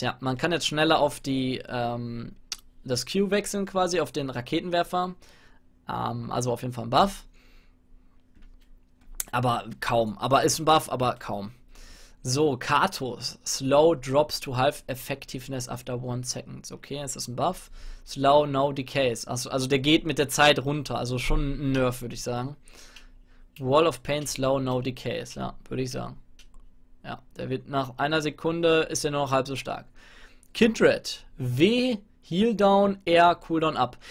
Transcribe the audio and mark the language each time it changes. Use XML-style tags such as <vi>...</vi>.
<de>Ja, man kann jetzt schneller auf die das Q wechseln quasi, auf den Raketenwerfer. Also auf jeden Fall ein Buff. Aber kaum. Aber ist ein Buff, aber kaum. So, Katos.</de> <en>Slow drops to half effectiveness after 1 second.</en> <de>Okay, ist das ein Buff?</de> <en>Slow no decays.</en> <de>Also der geht mit der Zeit runter. Also schon ein Nerf, würde ich sagen. Wall of Pain,</de> <en>slow, no decays,</en> <de>ja, würde ich sagen. Ja, der wird nach einer Sekunde ist er nur noch halb so stark.</de> <en>Kindred, W, Heal Down, R, Cooldown Up.</en>